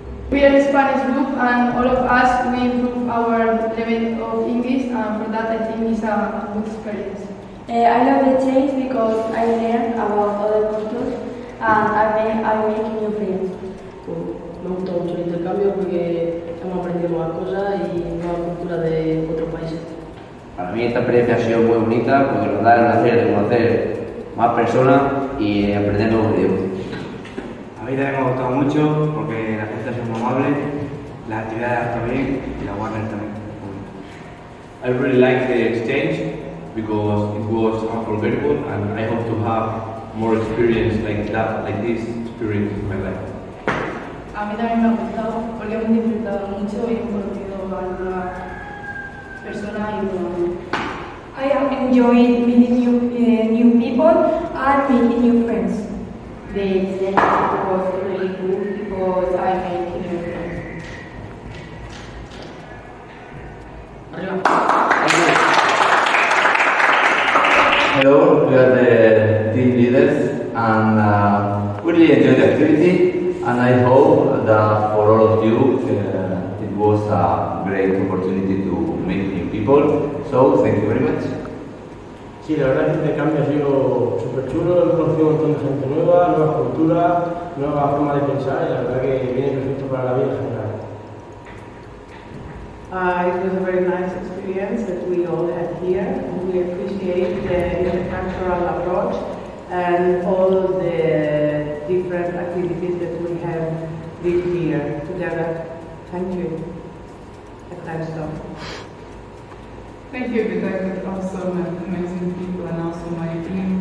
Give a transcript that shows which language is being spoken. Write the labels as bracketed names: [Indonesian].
[English] We are a Spanish group and all of us, we improve our level of English and for that I think it's a good experience. I love the change because I learn about other cultures and I make new friends. [Spanish] Me gusta mucho el intercambio porque hemos aprendido nuevas cosas y nueva cultura de otros países. Para mí esta experiencia ha sido muy bonita porque nos da el placer de conocer más personas y aprender nuevos idiomas. A mí también me ha gustado mucho porque la gente es muy amable, la actividad está bien y la guardia también. [English] I really like the exchange because it was unforgettable and I hope to have more experience like that, like this experience in my life. [Spanish] A mí también me ha gustado porque he disfrutado mucho y he conocido a nuevas personas y nuevas. [English] I have enjoyed meeting new people and making new friends. The exchange was really good because I made new friends. Hello, we are the team leaders and we really enjoyed the activity and I hope that for all of you it was a great opportunity to meet new people. So thank you very much. So [Spanish] Sí, la verdad es que este cambio ha sido súper chulo. Hemos conocido un montón de gente nueva, nuevas culturas, nuevas formas de pensar, y la verdad que viene perfecto para la vida en general. [English] It was a very nice experience that we all had here. We appreciate the intercultural approach and all the different activities that we have lived here together. Thank you. A time stop. Thank you, because I also met amazing people and also my team.